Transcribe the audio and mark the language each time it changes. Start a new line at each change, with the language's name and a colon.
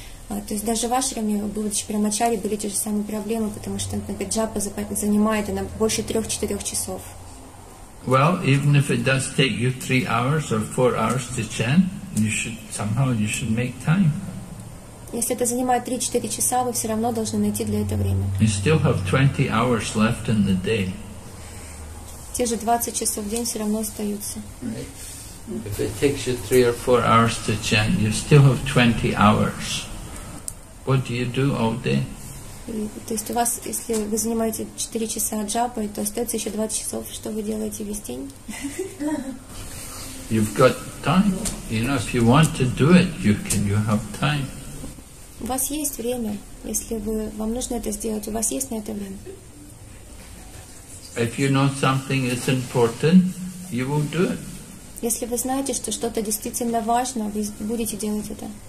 Russian: То есть даже в ашраме, будучи брамачари, были те же самые проблемы, потому что, например, джапа занимает она больше 3-4 часов.
English: Well, even if it does take you 3 hours or 4 hours to chant, you should make time.
Russian: Если это занимает 3-4 часа, вы все равно должны найти для этого время.
English: You still have 20 hours left in the day.
Russian: Те же 20 часов в день все равно остаются.
English: If it takes you 3 or 4 hours to chant, you still have 20 hours. What do you do all day?
Russian: То есть у вас, если вы занимаете 4 часа джапой, то остается еще 20 часов, что вы делаете весь день?
English: You've got time. You know, if you want to do it, you have time.
Russian: У вас есть время, если вам нужно это сделать, у вас есть на это время.
English: If you know something is important, you will do it.
Russian: Если вы знаете, что что-то действительно важно, вы будете делать это.